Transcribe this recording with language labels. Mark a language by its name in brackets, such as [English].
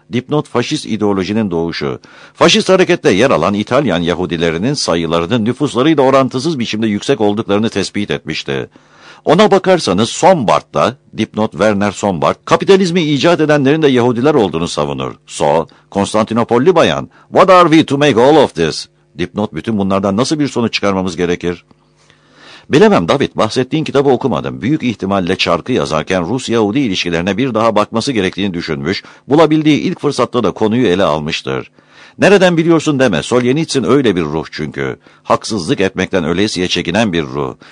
[Turkish] Dipnot, faşist ideolojinin doğuşu. Faşist harekette yer alan İtalyan Yahudilerinin sayılarının nüfuslarıyla orantısız biçimde yüksek olduklarını tespit etmişti. Ona bakarsanız Sombart'ta, dipnot Werner Sombart, kapitalizmi icat edenlerin de Yahudiler olduğunu savunur. Konstantinopolli bayan, [English] what are we to make all of this? [Turkish] Dipnot, bütün bunlardan nasıl bir sonuç çıkarmamız gerekir? Bilemem David, bahsettiğin kitabı okumadım. Büyük ihtimalle çarkı yazarken Rus-Yahudi ilişkilerine bir daha bakması gerektiğini düşünmüş, bulabildiği ilk fırsatta da konuyu ele almıştır. Nereden biliyorsun deme, Solzhenitsyn öyle bir ruh çünkü. Haksızlık etmekten öylesiye çekinen bir ruh.